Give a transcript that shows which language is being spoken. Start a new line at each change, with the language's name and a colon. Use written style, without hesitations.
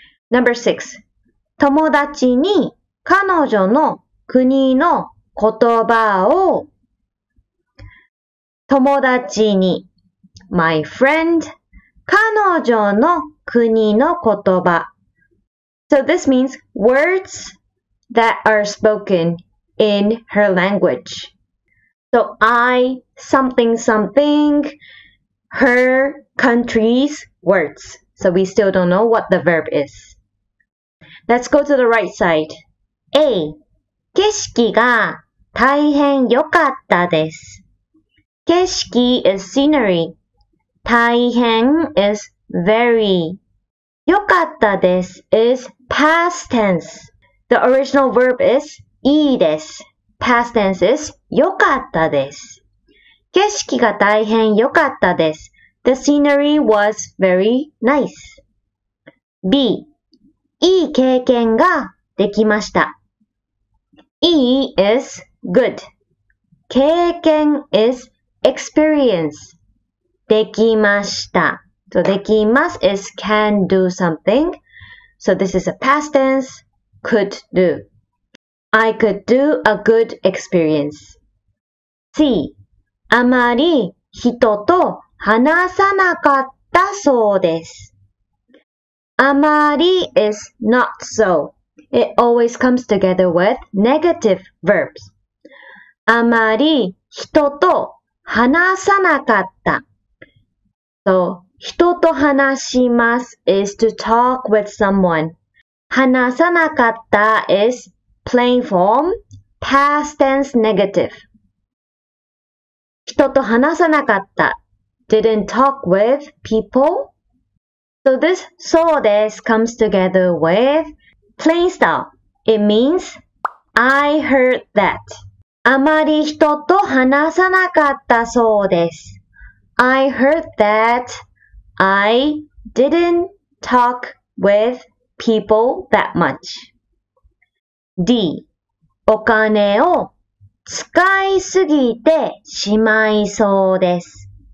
English: Number 6.
Japanese: 友達に彼女の国の言葉を友達に
English: my friend
Japanese: 彼女の国の言葉
English: So this means words that are spoken in her language. So I something something her country's words. So we still don't know what the verb is. Let's go to the right side.
Japanese: A 景色が大変良かったです。
English: 景色 is scenery. 大変 is very. 良かったです is past tense. The original verb is いいです。 Past tense is 良かったです。
Japanese: 景色が大変良かったです。
English: The scenery was very nice. B.
Japanese: いい経験ができました。
English: E is good. 経験 is experience. できました。So, できます is can do something. So, this is a past tense, could do. I could do a good experience. C.
Japanese: あまり人と話さなかったそうです。
English: あまり is not so. It always comes together with negative verbs.
Japanese: あまり人と話さなかった。
English: So, 人と話します is to talk with someone. 話さなかった is plain form, past tense negative.
Japanese: 人と話さなかった。
English: Didn't talk with people. So this そうです comes together with plain style. It means I heard that.
Japanese: あまり人と話さなかったそうです。
English: I heard that I didn't talk with people that much. D.
Japanese: お金を使いすぎてしまいそうです。